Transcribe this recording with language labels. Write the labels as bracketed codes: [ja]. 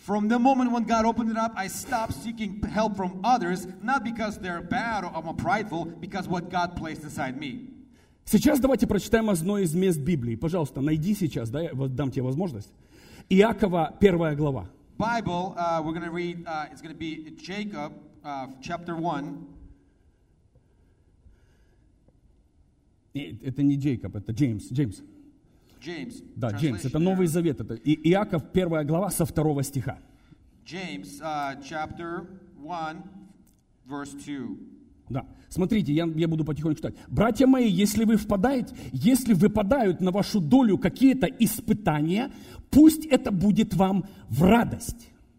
[en] From the moment when God opened it up, I stopped seeking help from others, not because they're bad or I'm prideful, because what God placed inside me. [ru] Сейчас давайте прочитаем одно из мест Библии. Пожалуйста, найди сейчас, да, я дам тебе возможность. Иакова, первая глава. [en] Bible, we're going to read, it's going to be Jacob, chapter 1. [ru] Это не Джейкоб, это Джеймс. Джеймс. [en] James, [ru] да, Джеймс, это Новый Завет. Это Иаков, первая глава, со второго стиха. [en] James, chapter 1, verse 2. [ru] Да. Смотрите, я буду потихоньку читать. «Братья мои, если вы впадаете, если выпадают на вашу долю какие-то испытания, пусть это будет вам в радость».